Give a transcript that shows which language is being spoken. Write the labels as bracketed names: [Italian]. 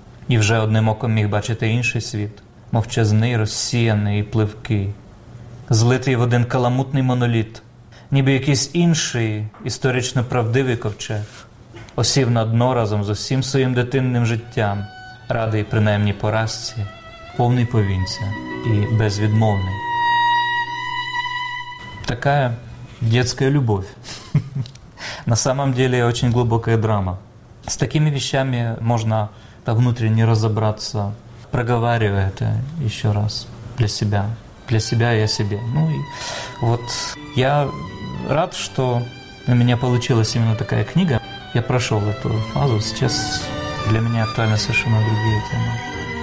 [Ukrainian] І вже одним оком міг бачити інший світ, мовчазний, розсіяний і пливкий, злитий в один каламутний моноліт, ніби якийсь інший історично правдивий ковчег, осів на дно разом з усім своїм дитинним життям, радий принаймні поразці, повний повінця і безвідмовний. Така дитяча любов. [Russian] На самом деле, очень глубокая драма. [Ukrainian] З такими вещами можна та внутрішньо розібратися, проговорює це ще раз для себе. Для себе я себе. Ну і от я рад, що у мене вийшла саме така книга. Я пройшов цю фазу. Зараз для мене актуальна зовсім інша тема.